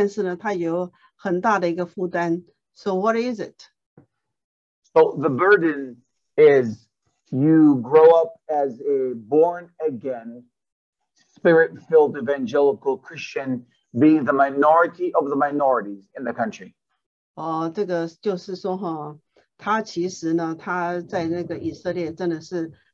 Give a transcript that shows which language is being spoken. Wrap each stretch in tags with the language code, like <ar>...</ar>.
<zh>它是一个很特殊的一个国家，但是呢，它有很大的一个负担.</zh> <en>So what is it? So the burden is you grow up as a born again, spirit-filled evangelical Christian, being the minority of the minorities in the country.</en> <zh>哦，这个就是说哈，他其实呢，他在那个以色列真的是。</zh>